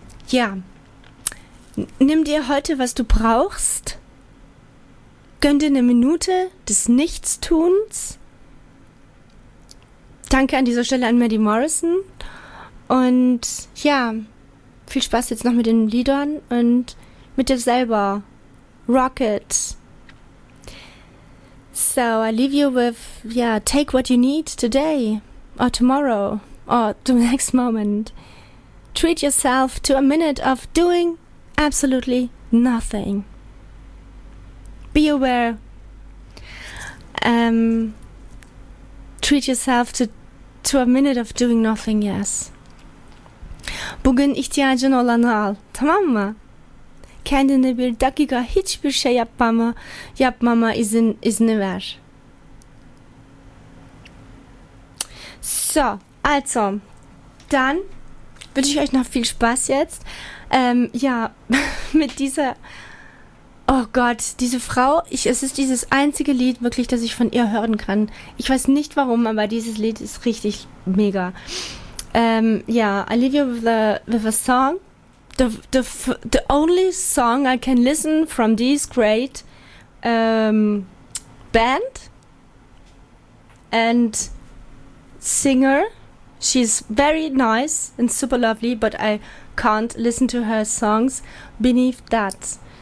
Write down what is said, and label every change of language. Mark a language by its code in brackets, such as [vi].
[de] Ja, nimm dir heute, was du brauchst, gönn dir eine Minute des Nichtstuns, danke an dieser Stelle an Maddie Morrison und ja, viel Spaß jetzt noch mit den Liedern und mit dir selber, Rocket. [en] So, I leave you with, yeah, take what you need today or tomorrow or the next moment. Treat yourself to a minute of doing absolutely nothing. Be aware. Treat yourself to a minute of doing nothing, yes. [tr] Bugün ihtiyacın olanı al, tamam mı? Kendine bir dakika hiçbir şey yapmama izni ver. [de] So, also, dann wünsche ich euch noch viel Spaß jetzt. Ja, mit dieser, oh Gott, diese Frau, es ist dieses einzige Lied wirklich, das ich von ihr hören kann. Ich weiß nicht warum, aber dieses Lied ist richtig mega. [en] Ja, I leave you with a song. The only song I can listen from this great band and singer. She's very nice and super lovely, but I can't listen to her songs beneath that.